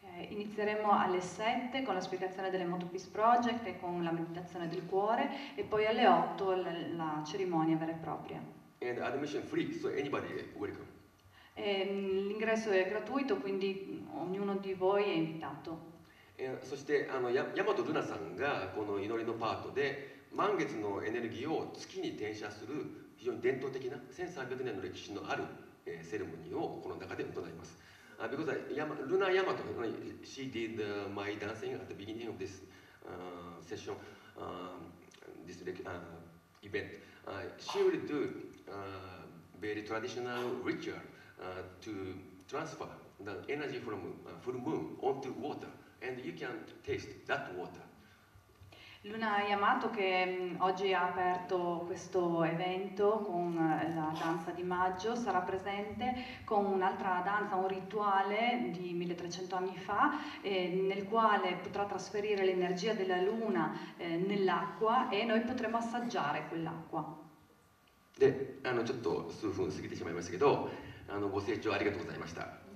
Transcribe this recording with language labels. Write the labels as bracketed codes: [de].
[it] Inizieremo alle 7 con la spiegazione dell'Emoto Peace Project e con la meditazione del cuore e poi alle 8 la cerimonia vera e propria. [en] And admission free, so anybody welcome. [it] E, l'ingresso è gratuito, quindi ognuno di voi è invitato. [ja] E, そして大和ルナさんがこの祈りのパートで満月のエネルギーを月に転写する非常に伝統的な1300年の歴史のある、セレモニーをこの中で行います。 [en] Because Luna Yamato, she did my dancing at the beginning of this session, this event. She will do very traditional ritual to transfer the energy from full moon onto water, and you can taste that water. [it] Luna Yamato, che oggi ha aperto questo evento con la danza di maggio, sarà presente con un'altra danza, un rituale di 1300 anni fa, nel quale potrà trasferire l'energia della luna nell'acqua e noi potremo assaggiare quell'acqua. [ja] De, ちょっと数分過ぎてしまいましたけど、ご清聴ありがとうございました。